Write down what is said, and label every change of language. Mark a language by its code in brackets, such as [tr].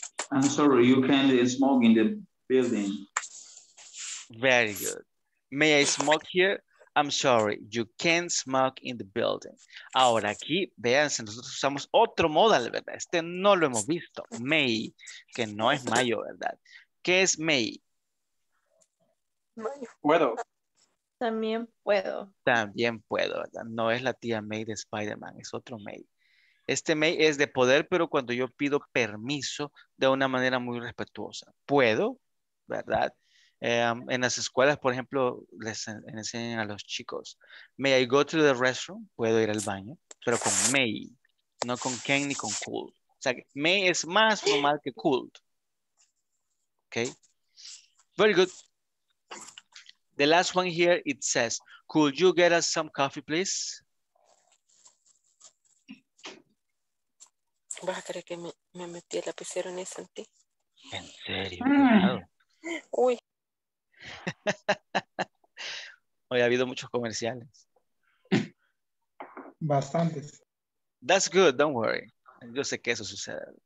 [en] I'm sorry, you can't smoke in the building. Very good. May I smoke here? I'm sorry, you can't smoke in the building. [es] Ahora aquí, vean, nosotros usamos otro modal, ¿verdad? Este no lo hemos visto. May, que no es mayo, ¿verdad? ¿Qué es may? Puedo. También puedo. También puedo, ¿verdad? No es la tía May de Spider-Man, es otro May. Este may es de poder, pero cuando yo pido permiso de una manera muy respetuosa. ¿Puedo? ¿Verdad? En las escuelas, por ejemplo, les enseñan a los chicos. [en] May I go to the restroom? [es] Puedo ir al baño, pero con may. No con can ni con could. O sea, que may es más formal que could. Ok. [en] Very good. The last one here, it says, could you get us some coffee, please? [es] ¿Vas a creer que me metí el lapicero en ese ti? ¿En serio? Uy. Hoy ha habido muchos comerciales. Bastantes. [en] That's good, don't worry. [es] Yo sé que eso sucede.